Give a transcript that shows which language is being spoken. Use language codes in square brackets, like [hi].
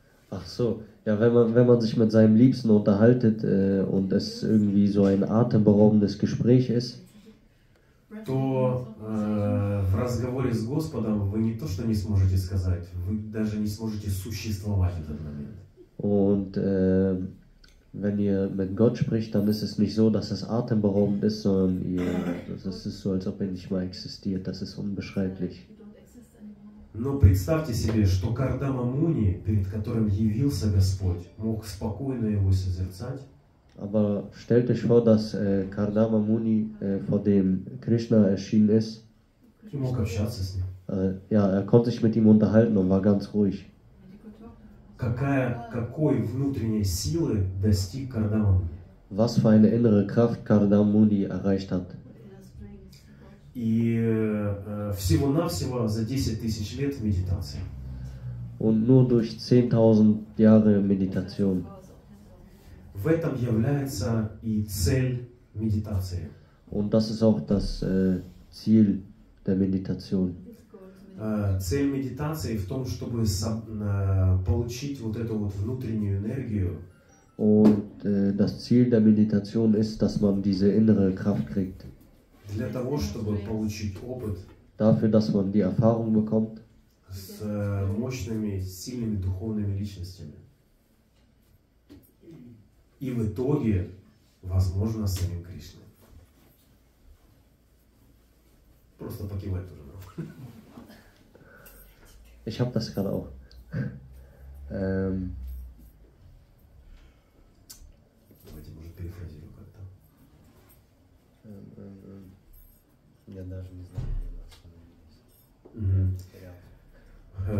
[de] Ach so, ja, wenn man sich mit seinem Liebsten unterhaltet und es irgendwie so ein atemberaubendes Gespräch ist, [ru] то в разговоре с Господом вы не то что не сможете сказать, вы даже не сможете существовать в этот момент. [de] Und wenn ihr mit Gott spricht, dann ist es nicht so, dass es atemberaubend ist, sondern ihr, das ist so, als ob er nicht mal existiert. Das ist unbeschreiblich. [ru] Но представьте себе, что Кардама Муни, перед которым явился Господь, мог спокойно его созерцать. [de] Aber stellt euch vor, dass Кардама Муни, vor dem Krishna erschienen ist, er [ru] мог общаться с ним. [de] Ja, er konnte sich mit ihm unterhalten und war ganz ruhig. [ru] Какой внутренней силы достиг Кардама Муни? [de] Was für eine innere Kraft Кардама Муни erreicht hat? [ru] И всего-навсего за 10 тысяч лет медитации. [de] Und nur durch 10.000 Jahre Meditation. [ru] В этом является и цель медитации. [de] Und das ist auch das Ziel der Meditation. [ru] Цель медитации в том, чтобы получить вот эту вот внутреннюю энергию. [de] Und das Ziel der Meditation ist, dass man diese innere Kraft kriegt. [ru] для того, чтобы получить опыт, [de] dafür, dass man die Erfahrung bekommt, [ru] с мощными, сильными духовными личностями. И в итоге, возможно, с самим Кришной. Просто покивать тоже могу. [de] Ich habe das gerade auch. [ru] Я даже не знаю, что